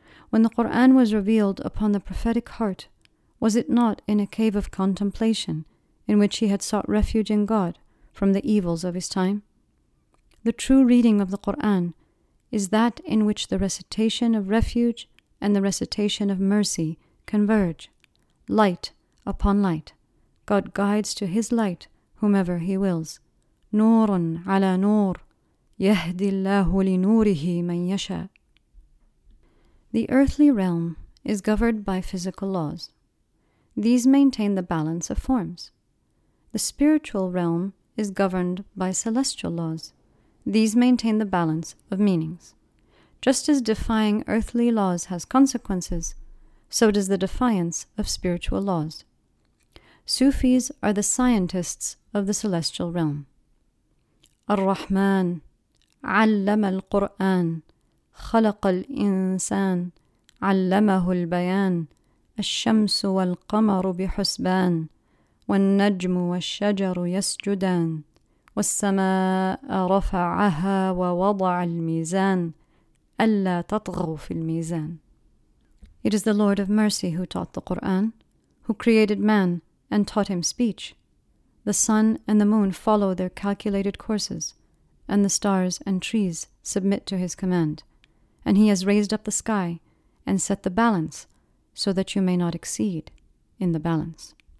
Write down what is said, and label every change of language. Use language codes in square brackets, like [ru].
[en] When the Quran was revealed upon the prophetic heart, was it not in a cave of contemplation in which he had sought refuge in God from the evils of his time? The true reading of the Quran is that in which the recitation of refuge and the recitation of mercy converge, light upon light. God guides to his light whomever he wills. [ar] نورٌ على نور يهدي الله لنوره من يشاء. [en] The earthly realm is governed by physical laws. These maintain the balance of forms. The spiritual realm is governed by celestial laws. These maintain the balance of meanings. Just as defying earthly laws has consequences, so does the defiance of spiritual laws. Sufis are the scientists of the celestial realm. [ar] Ar-Rahman, علم القرآن خلق الإنسان علمه البيان الشمس والقمر بحسبان والنجم والشجر يسجدان والسماء رفعها ووضع الميزان ألا تطغوا في الميزان. [en] It is the Lord of Mercy who taught the Quran, who created man and taught him speech. The sun and the moon follow their calculated courses, and the stars and trees submit to his command. And he has raised up the sky and set the balance so that you may not exceed in the balance.